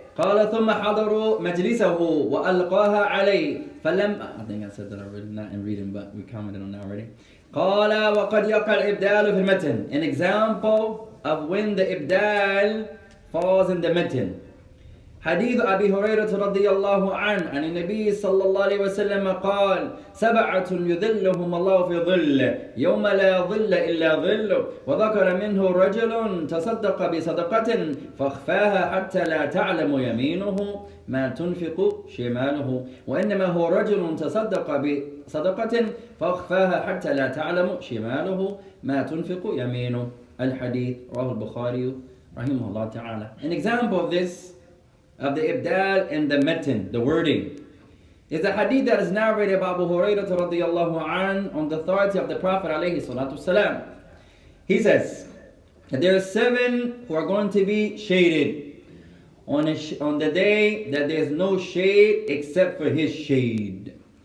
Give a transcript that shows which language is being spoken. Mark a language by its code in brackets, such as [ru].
[ar] قال ثم حضروا مجلسه وألقاها عليه فلم. [en] I think I said that already. Not in reading, but we commented on that already. [ar] قال وقد يقع الإبدال في المتن. [en] An example of when the إبدال falls in the متن. [ar] حديث أبي هريرة رضي الله عنه عن النبي صلى الله عليه وسلم قال سبعة يذلهم الله في ظل يوم لا ظل إلا ظل وذكر منه رجل تصدق بصدقة فاخفاها حتى لا تعلم يمينه ما تنفق شماله وإنما هو رجل تصدق بصدقة فاخفاها حتى لا تعلم شماله ما تنفق يمينه الحديث رواه البخاري رحمه الله تعالى. [en] An example of this, of the ibdal and the metin, the wording, is a hadith that is narrated by Abu Hurairah [ar] radiyallahu an [en] on the authority of the Prophet [ar] alayhi salatu wasalam. [en] He says that there are seven who are going to be shaded on the day that there is no shade except for his shade.